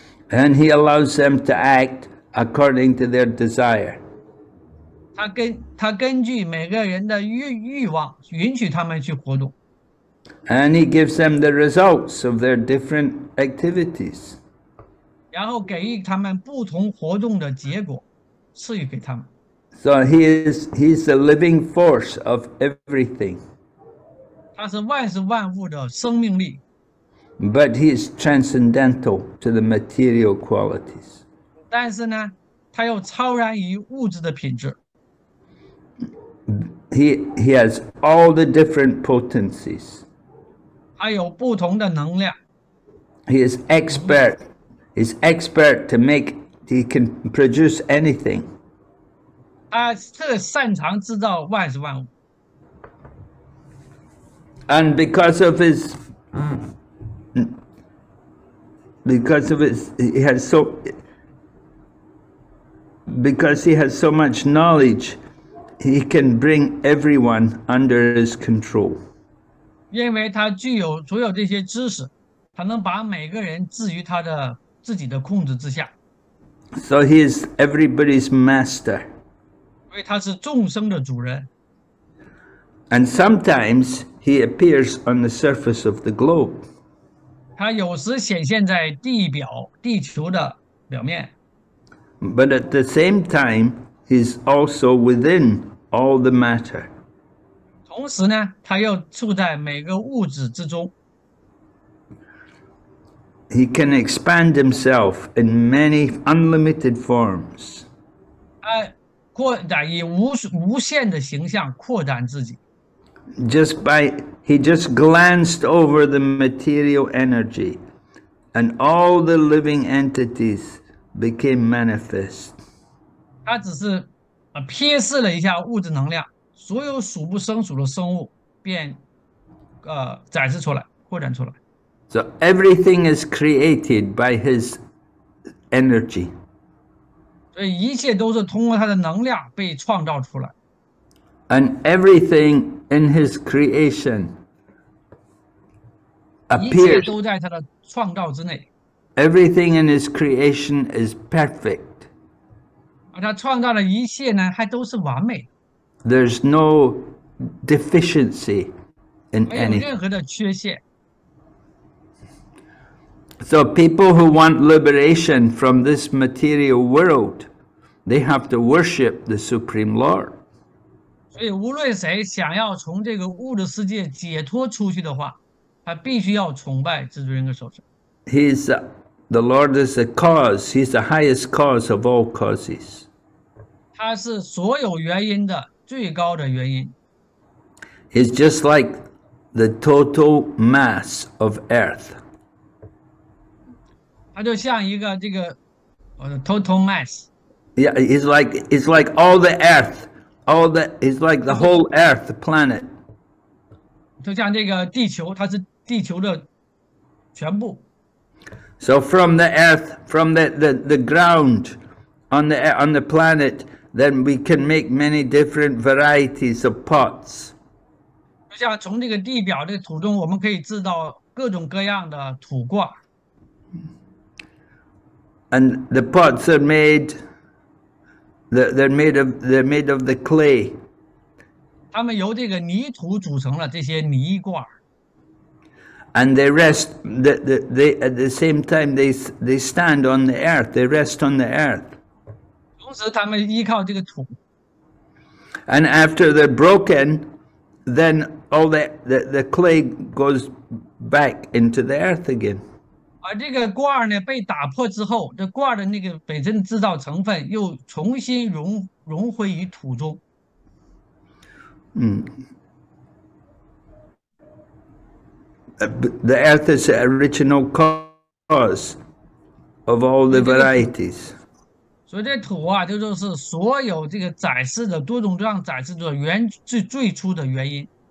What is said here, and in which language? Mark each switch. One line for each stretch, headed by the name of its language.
English: And he allows them to act according to their desire.
Chinese: 他根据每个人的欲望，允许他们去活动。
English: And he gives them the results of their different activities.
Chinese: 然后给予他们不同活动的结果，赐予给他们。
English: So he is the living force of everything.
Chinese: 他是万事万物的生命力。
English: But he is transcendental to the material qualities.
Chinese: 但是呢，他又超然于物质的品质。
English: He has all the different potencies.
Chinese: 他有不同的能量。
English: He is expert. He's expert to make. He can produce anything.
Chinese: 他特擅长制造万事万物。
English: And because of his. Because he has so much knowledge, he can bring everyone under his control.
Chinese: 因为他具有所有这些知识，他能把每个人置于他的自己的控制之下。
English: So he is everybody's master.
Chinese: 因为他是众生的主人。
English: And sometimes he appears on the surface of the globe.
Chinese: 它有时显现在地球的表面。
English: But at the same time, he's also within all the matter.
Chinese: 同时呢，它又处在每个物质之中。
English: He can expand himself in many unlimited forms.
Chinese: 它扩展以无限的形象扩展自己。
English: He just glanced over the material energy, and all the living entities became manifest.
Chinese: 他只是瞥视了一下物质能量，所有数不胜数的生物便展示出来，扩展出来。
English: So everything is created by his energy.
Chinese: 所以一切都是通过他的能量被创造出来。
English: And everything in his creation. Appears.
Chinese: 一切都在他的创造之内。
English: Everything in his creation is perfect.
Chinese: 他创造的一切呢，还都是完美。
English: There's no deficiency in any.
Chinese: 没有任何的缺陷。
English: So people who want liberation from this material world, they have to worship the Supreme Lord.
Chinese: 所以无论谁想要从这个物质世界解脱出去的话，他必须要崇拜至尊的首相。
English: The Lord is the cause. He's the highest cause of all causes.
Chinese: 他是所有原因的最高的原因。
English: He's just like the total mass of Earth.
Chinese: 他就像一个这个
English: total mass. Yeah, he's like all the Earth, he's like the whole Earth planet.
Chinese: 就像这个地球，它是。地球的全部。
English: So from the earth, from the ground on the planet, then we can make many different varieties of pots.
Chinese: 就像从这个地表的土中，我们可以制造各种各样的土罐。
English: And the pots are made, they're made of the clay.
Chinese: 它们由这个泥土组成了这些泥罐。
English: And they rest, they at the same time they stand on the earth, they rest on the earth.
Chinese: 同时他们依靠这个土。
English: And after they're broken, then all the clay goes back into the earth again.
Chinese: 而这个罐呢被打破之后，这罐的那个本身制造成分又重新融回于土中。
English: The earth is the original cause of all the varieties.
Chinese: 所以这土啊，就是所有这个展示的多种多样展示的最初的原因。